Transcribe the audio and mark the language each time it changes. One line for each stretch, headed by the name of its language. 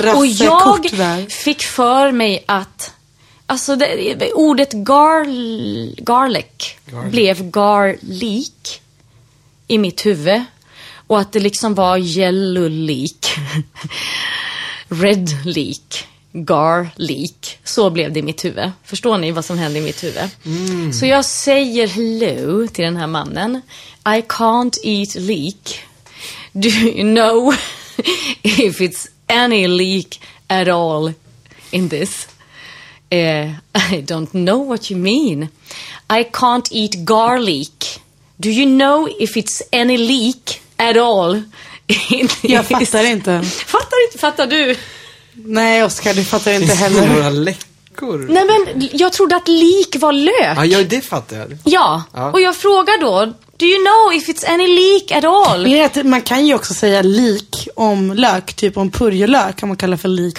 Swedish: Och jag fick för mig att, alltså det, ordet garlic blev garlic i mitt huvud. Och att det liksom var yellow leek, red leek. Garlic. Så blev det i mitt huvud. Förstår ni vad som hände i mitt huvud? Mm. Så jag säger hello till den här mannen.
English: I can't eat leek. Do you know if it's any leek at all in this? I don't know what you mean. I can't eat garlic. Do you know if it's any leek at all in this?
Swedish: Jag fattar inte. Fattar inte, fattar du? Nej, Oskar, du fattar inte finns heller. Finns det några läckor? Nej, men jag trodde att leek var lök. Ja, det fattar jag. Ja, och jag frågar då,
English: do you know if it's any leek at all?
Swedish: Man kan ju också säga leek om lök, typ om purjolök kan man kalla för leek.